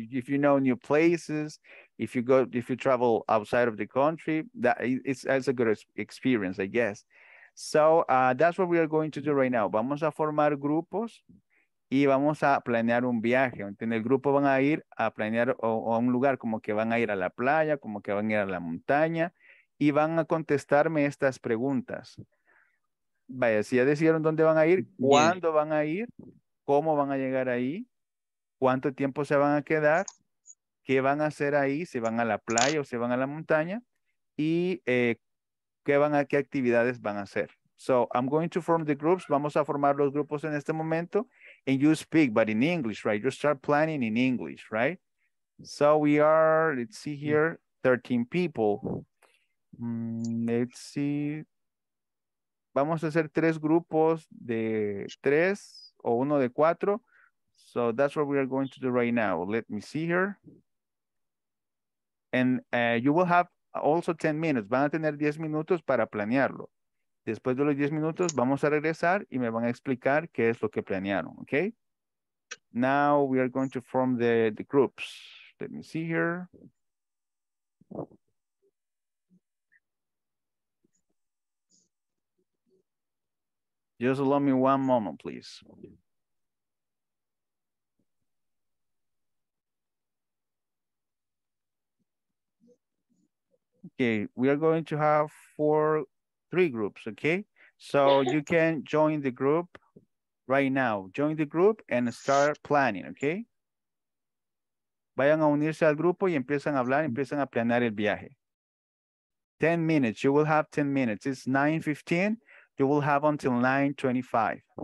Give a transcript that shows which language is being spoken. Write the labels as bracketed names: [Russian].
[English] If you know new places, if you travel outside of the country, that's a good experience, I guess. So that's what we are going to do right now. [Spanish] Vamos a formar grupos y vamos a planear un viaje. En el grupo van a ir a planear o a un lugar, como que van a ir a la playa, como que van a ir a la montaña, y van a contestarme estas preguntas. Vaya, si ya decidieron dónde van a ir, cuándo van a ir, cómo van a llegar ahí, cuánto tiempo se van a quedar, qué van a hacer ahí, si van a la playa o si van a la montaña, y qué actividades van a hacer. [English] So, I'm going to form the groups. Vamos a formar los grupos en este momento. And you speak, but in English, right? You start planning in English, right? So we are, let's see here, 13 people. Let's see. [Spanish] Vamos a hacer 3 grupos de 3 o uno de 4. [English] So that's what we are going to do right now. Let me see here. And you will have also 10 minutes. [Spanish] Van a tener 10 minutos para planearlo. Después de los 10 minutos, vamos a regresar y me van a explicar qué es lo que planearon, okay? [English] Now we are going to form the groups. Let me see here. Just allow me one moment, please. Okay, we are going to have 3 groups, okay? So you can join the group right now. Join the group and start planning, okay? [Spanish] Vayan a unirse al grupo y empiezan a hablar, empiezan a planear el viaje. [English] 10 minutes, you will have 10 minutes. It's 9:15, you will have until 9:25.